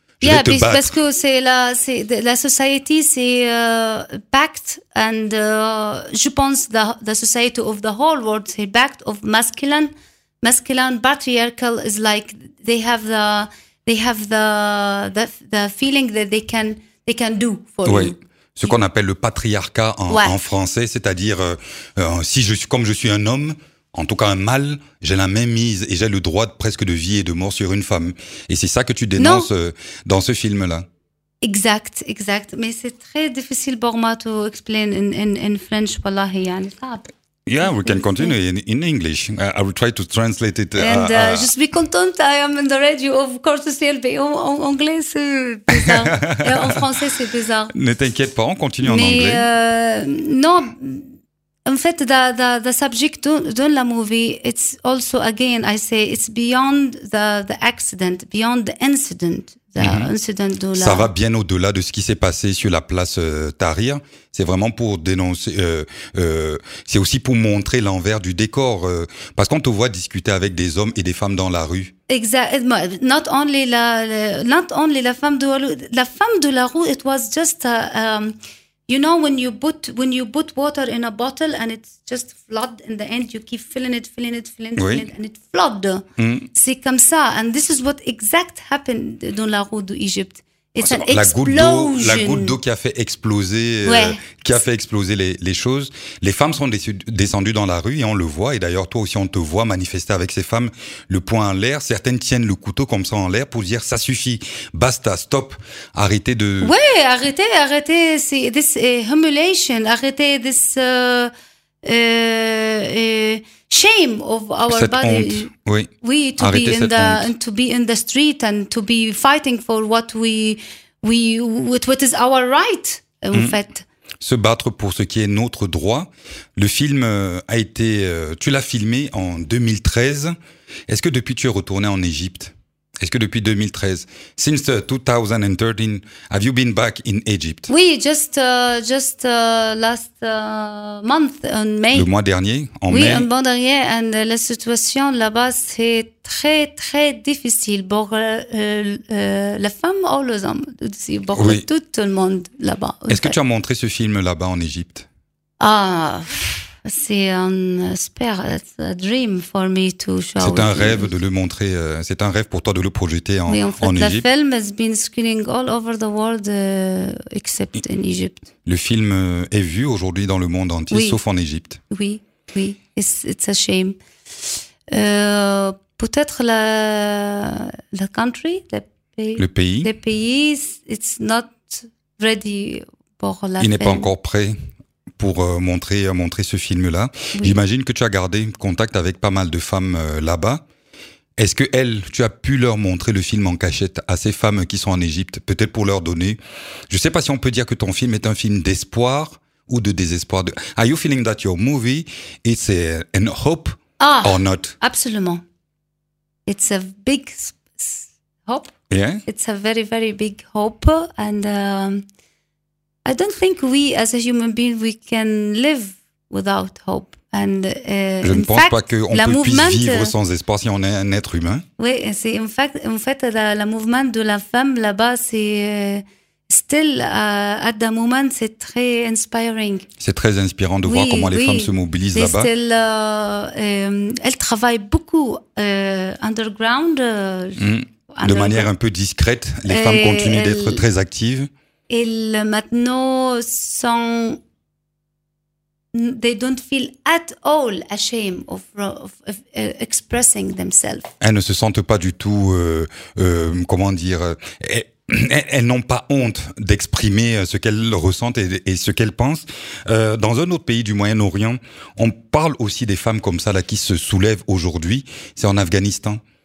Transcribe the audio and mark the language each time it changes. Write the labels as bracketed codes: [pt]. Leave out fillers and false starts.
[fr] Parce que c'est la [en] society, c'est backed, and [fr] je pense [en] the society of the whole world is backed of masculine patriarchal. Is like they have the feeling that they can do for you. [fr] Ce qu'on appelle le patriarcat en français, c'est-à-dire comme je suis un homme, en tout cas un mâle, j'ai la même mise et j'ai le droit de, presque de vie et de mort sur une femme. Et c'est ça que tu dénonces dans ce film-là. Exact, exact. Mais c'est très difficile pour moi [en] to explain in French. [ar] Wallahi, yani sab. [en] Yeah, we can continue in English. I will try to translate it. And just be content, I am in the radio, of course, to CLB. [fr] En anglais, c'est bizarre. Et en français, c'est bizarre. Ne t'inquiète pas, on continue Mais en anglais. Non, en fait, [en] the subject de la movie, it's also, again, I say, it's beyond the accident, beyond the incident. [fr] Ça va bien au-delà de ce qui s'est passé sur la place Tahrir. C'est vraiment pour dénoncer. C'est aussi pour montrer l'envers du décor, parce qu'on te voit discuter avec des hommes et des femmes dans la rue. [en] Exactly. Not only [fr] la femme de la femme de la rue. [en] It was just when you put water in a bottle and it's just flood in the end, you keep filling it, [fr] oui. [en] And it flood. Mm. [fr] C'est comme ça. [en] And this is what exact happened [fr] dans la rue d'Égypte. [en] It's an explosion. [fr] La goutte d'eau qui a fait exploser, ouais. Qui a fait exploser les choses. Les femmes sont descendues dans la rue et on le voit. Et d'ailleurs, toi aussi, on te voit manifester avec ces femmes le poing en l'air. Certaines tiennent le couteau comme ça en l'air pour dire ça suffit, basta, stop, arrêtez de. Oui, arrêtez. C'est [en] this humiliation. Arrêtez this shame of our [fr] cette [en] body. [fr] Honte. Oui. [en] Oui, to [fr] arrêtez [en] be in the [fr] honte. [en] And to be in the street and to be fighting for what what is our right [fr] en fait. Se battre pour ce qui est notre droit. Le film a été, tu l'as filmé en 2013. Est-ce que depuis tu es retourné en Égypte? Est-ce que depuis 2013, [en] since 2013, have you been back in Egypt? Oui, just last month in May. [fr] Le mois dernier, en oui, mai. Oui, le mois dernier, and la situation là-bas c'est très très difficile pour la femme ou les hommes, aussi pour oui. tout le monde là-bas. Est-ce que tu as montré ce film là-bas en Égypte? [en] Ah. It's a dream for me to show. [fr] C'est un rêve de le montrer. C'est un rêve pour toi de le projeter en Égypte. [en] The film has been screening all over the world, except in Egypt. [fr] Le film est vu aujourd'hui dans le monde entier, oui. Sauf en Égypte. Oui, oui. [en] It's a shame. [fr] Peut-être la country, le pays. Le pays, [en] it's not ready [fr] pour la. Il n'est pas encore prêt. Pour montrer ce film-là. Oui. J'imagine que tu as gardé contact avec pas mal de femmes là-bas. Est-ce que tu as pu leur montrer le film en cachette à ces femmes qui sont en Égypte, peut-être pour leur donner. Je ne sais pas si on peut dire que ton film est un film d'espoir ou de désespoir. [en] Are you feeling that your movie is an hope or not? Absolument. It's a big hope. Yeah. It's a very, very big hope. And. I don't think we, as a human being, we can live without hope. And [fr] je ne pense [en] fact, [fr] pas qu'on peut mouvement... puisse vivre sans espoir si on est un être humain. Oui, c'est en fait, le mouvement de la femme là-bas, c'est [en] still at the moment, [fr] c'est très [en] inspiring. [fr] C'est très inspirant de oui, voir comment les oui. femmes se mobilisent [en] they [fr] là-bas. Still, elles travaillent beaucoup underground, de manière un peu discrète. Les femmes continuent d'être très actives. Elles maintenant sont, [en] they don't feel at all ashamed of expressing themselves. [fr] Elles ne se sentent pas du tout, comment dire, elles n'ont pas honte d'exprimer ce qu'elles ressentent et ce qu'elles pensent. Dans un autre pays du Moyen-Orient, on parle aussi des femmes comme ça là qui se soulèvent aujourd'hui. C'est en Afghanistan.